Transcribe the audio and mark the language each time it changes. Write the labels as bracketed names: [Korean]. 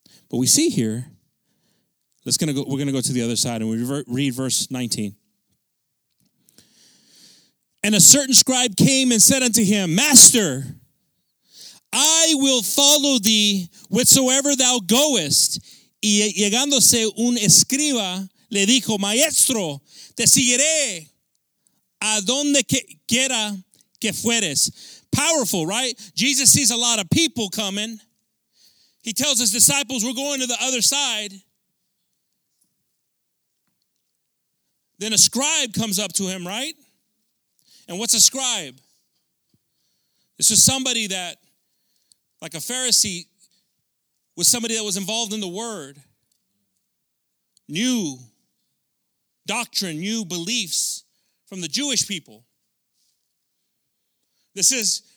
[English] But we see here, we're going to go to the other side, and we read verse 19. And a certain scribe came and said unto him, Master, I will follow thee whatsoever thou goest. [Spanish] Y llegándose un escriba, le dijo, Maestro, te seguiré a donde quiera que fueres. [English] Powerful, right? Jesus sees a lot of people coming. He tells his disciples, we're going to the other side. Then a scribe comes up to him, right? And what's a scribe? This is somebody that, like a Pharisee, was somebody that was involved in the word, knew doctrine, knew beliefs from the Jewish people. This is